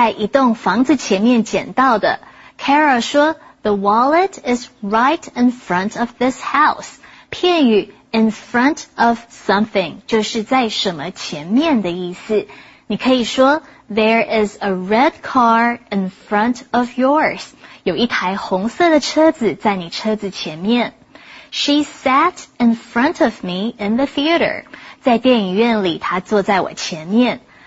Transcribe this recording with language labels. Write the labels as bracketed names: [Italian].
[Chinese] 皮夹正是在一栋房子前面捡到的。 [English] Kara [Chinese] 说, [English] the wallet is right in front of this house. [Chinese] 片语, [English] in front of something, [Chinese] 就是在什么前面的意思。你可以说, [English] there is a red car in front of yours. [Chinese] 有一台红色的车子在你车子前面。 [English] She sat in front of me in the theater. [Chinese] 在电影院里她坐在我前面。